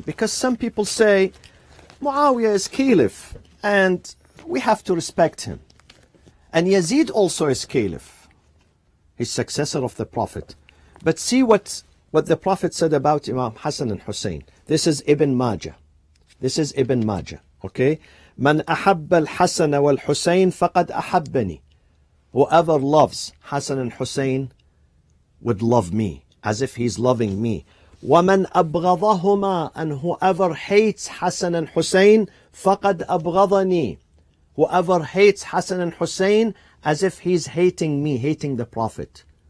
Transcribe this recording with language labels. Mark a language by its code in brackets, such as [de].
[en] Because some people say, Muawiyah is caliph and we have to respect him. And Yazid also is caliph. He's successor of the Prophet. But see what the Prophet said about Imam Hassan and Hussein. This is Ibn Majah. This is Ibn Majah. Okay? [ar] من أحب الحسن والحسين فقد أحبني. [en] Whoever loves Hassan and Hussein would love me, as if he's loving me. [ar] ومن أبغضهما, [en] and whoever hates Hassan and Hussein [ar] فقد أبغضني. [en] Whoever hates Hassan and Hussein, as if he's hating me, hating the Prophet.